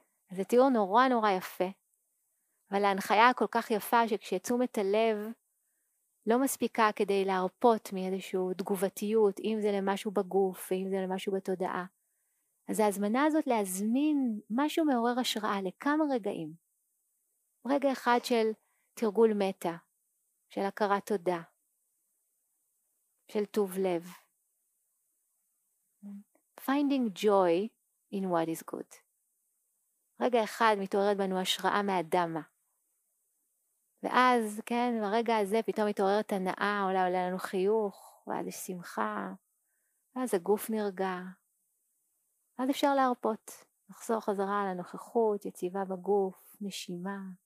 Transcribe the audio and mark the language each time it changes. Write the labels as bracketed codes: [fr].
[he] זה תיאור נורא נורא יפה, אבל ההנחיה כל כך יפה שכשתשומת הלב לא מספיקה כדי להרפות מאיזושהי תגובתיות, אם זה למשהו בגוף ואם זה למשהו בתודעה, אז ההזמנה הזאת להזמין משהו מעורר השראה לכמה רגעים. רגע אחד של תרגול מטה, של הכרת תודה, של טוב לב. [en] Finding joy in what is good. [he] רגע אחד מתעוררת בנו השראה מהדמה. ואז, כן, ברגע הזה פתאום מתעוררת הנאה, אולי עולה לנו חיוך, ואז יש שמחה, ואז הגוף נרגע. ואז אפשר להרפות, לחזור חזרה לנוכחות, יציבה בגוף, נשימה.